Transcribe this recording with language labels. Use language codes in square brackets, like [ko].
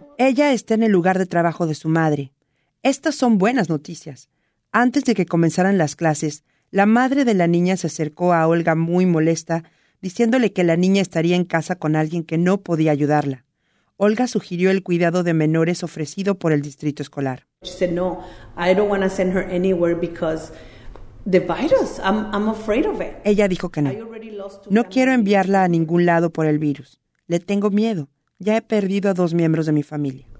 [es] Ella está en el lugar de trabajo de su madre. Estas son buenas noticias. Antes de que comenzaran las clases, la madre de la niña se acercó a Olga muy molesta, diciéndole que la niña estaría en casa con alguien que no podía ayudarla. Olga sugirió el cuidado de menores ofrecido por el distrito escolar. [en] She said, no, I don't want to send her anywhere because the virus, I'm afraid of it. [es] Ella dijo que no. No quiero enviarla a ningún lado por el virus. Le tengo miedo. Ya he perdido a dos miembros de mi familia.